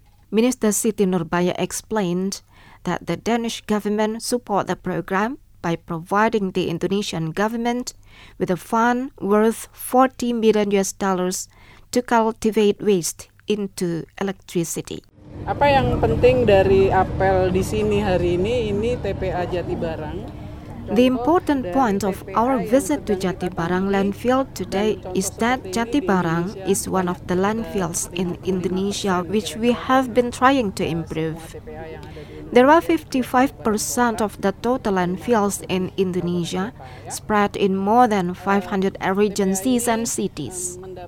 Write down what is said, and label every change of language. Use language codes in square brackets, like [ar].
[en] Minister Siti Nurbaya explained that the Danish government support the program by providing the Indonesian government with a fund worth $40 million to cultivate waste into electricity. [id] Apa yang penting dari apel di sini hari ini, ini TPA Jatibarang. [en] The important point of our visit to Jatibarang landfill today is that Jatibarang is one of the landfills in Indonesia which we have been trying to improve. There are 55% of the total landfills in Indonesia spread in more than 500 regions and cities.